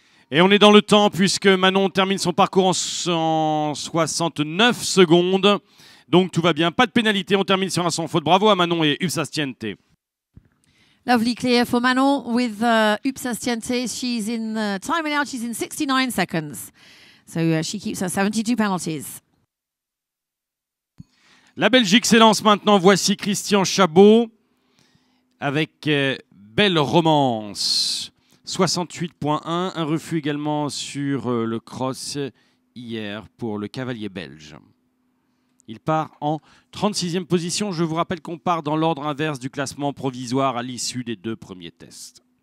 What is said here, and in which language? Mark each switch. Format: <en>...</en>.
<fr>Et on est dans le temps puisque Manon termine son parcours en 169 secondes. Donc tout va bien, pas de pénalité, on termine sur un sans faute. Bravo à Manon et Upsas Tiente.</fr> <en>Lovely clear for Manon with Upsas Tiente. She's in the time and out, she's in 69 seconds. So she keeps her 72 penalties.</en> <fr>La Belgique s'élance maintenant. Voici Christian Chabot avec Belle Romance. 68.1, un refus également sur le cross hier pour le cavalier belge. Il part en 36e position. Je vous rappelle qu'on part dans l'ordre inverse du classement provisoire à l'issue des deux premiers tests.</fr>